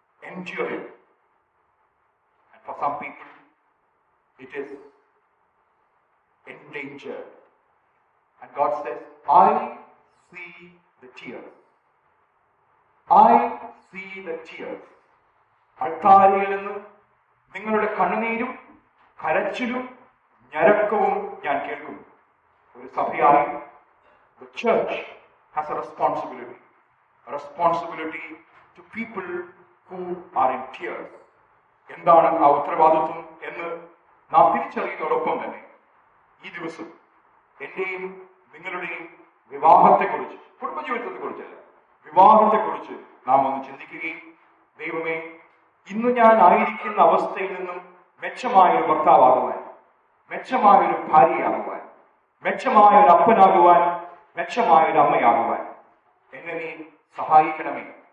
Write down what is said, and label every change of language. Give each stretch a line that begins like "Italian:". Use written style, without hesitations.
English: Enduring. And for some people, it is endangered. And God says, I see the tears. I see the tears.
Malayalam: അൾത്താരയിൽ നിന്ന് നിങ്ങളുടെ കണ്ണുനീരും കരച്ചിലും ഞരക്കവും ഞാൻ കേൾക്കുന്നു. ഒരു സഭയായി
English: the church has a responsibility. A responsibility to people who are in tears.
Malayalam: എന്താണ് ആ ഉത്തരവാദിത്വം എന്ന് നാം തിരിച്ചറിയുന്നതോടൊപ്പം തന്നെ ഈ ദിവസം എന്റെയും നിങ്ങളുടെയും വിവാഹത്തെക്കുറിച്ച്, കുടുംബജീവിതത്തെക്കുറിച്ചല്ല, വിവാഹത്തെക്കുറിച്ച് നാം ഒന്ന് ചിന്തിക്കുകയും, ദൈവമേ, ഇന്ന് ഞാൻ ആയിരിക്കുന്ന അവസ്ഥയിൽ നിന്നും മെച്ചമായൊരു ഭർത്താവാകുവാൻ, മെച്ചമായൊരു ഭാര്യയാകുവാൻ, മെച്ചമായൊരു അപ്പനാകുവാൻ, മെച്ചമായൊരു അമ്മയാകുവാൻ എന്നെ നീ സഹായിക്കണമേ.